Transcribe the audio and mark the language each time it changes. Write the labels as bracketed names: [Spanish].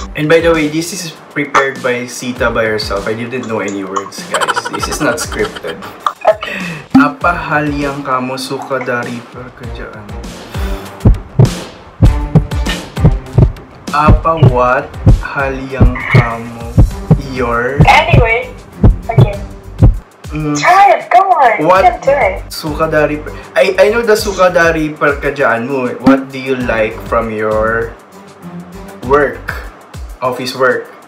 [English] And by the way, this is prepared by Sita by herself. I didn't know any words, guys. This is not scripted. Okay. [Indonesian] Apa hal yang kamu suka dari pekerjaan? Apa what hal yang kamu your? [English] Anyway. Try it, come on, what you can do it. [Indonesian] Suka dari, [English] I know the [Indonesian] suka dari pekerjaan mo. [English] What do you like from your work, office work?